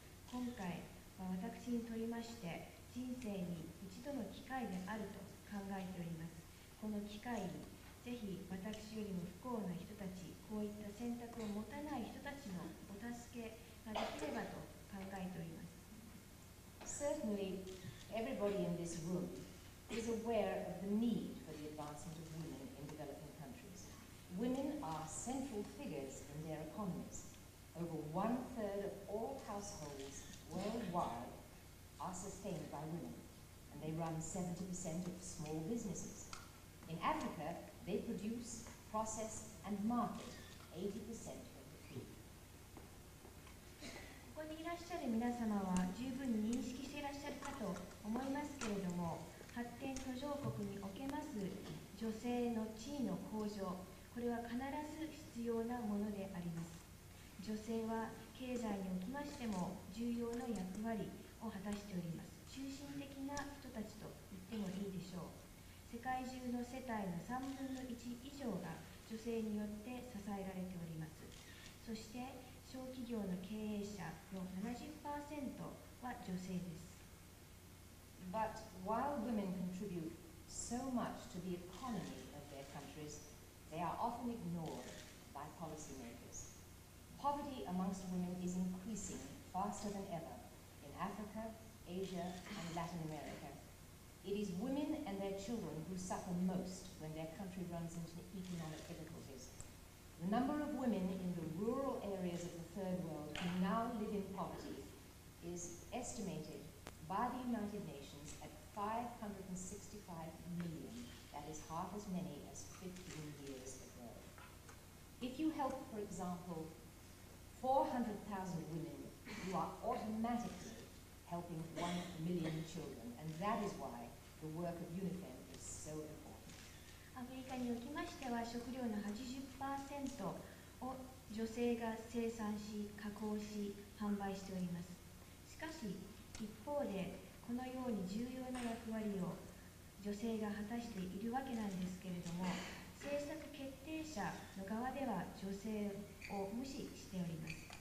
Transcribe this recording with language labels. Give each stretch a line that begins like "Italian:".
Japanese: 今回は私にとりまして、人生に一度の機会であると考えております。この機会にぜひ私よりも不幸な人たち、こういった選択を持たない人たちのお助けができればと考えております。
English: Certainly, everybody in this room is aware of the need for the advancement of women in developing countries. Women are central figures in their economies. Over one third of all households worldwide are sustained by women, and they run 70% of small businesses. In Africa, they produce, process, and market 80% of the food.
Japanese: ここにいらっしゃる皆様は十分認識していらっしゃるかと思いますけれども、発展途上国におけます女性の地位の向上、これは必ず必要なものであります。女性は経済におきましても重要な役割を果たしております。中心的な人たちと言ってもいいでしょう。世界中の世帯の3分の1以上が女性によって支えられております。そして小企業の経営者の 70% は女性です。
English: But while women contribute so much to the economy of their countries, they are often ignored by policymakers. Poverty amongst women is increasing faster than ever in Africa, Asia, and Latin America. It is women and their children who suffer most when their country runs into economic difficulties. The number of women in the rural areas of the third world who now live in poverty is estimated by the United Nations at 565 million. That is half as many as 15 years ago. If you help, for example, 400,000 women, you are automatically helping 1 million children. and that is why the work of UNIFEM is so important.
Japanese: アメリカにおきましては、食料の 80% を女性が生産し、加工し、販売しております。しかし、一方で、このように重要な役割を女性が果たしているわけなんですけれども、政策決定者の側では女性を無視しております。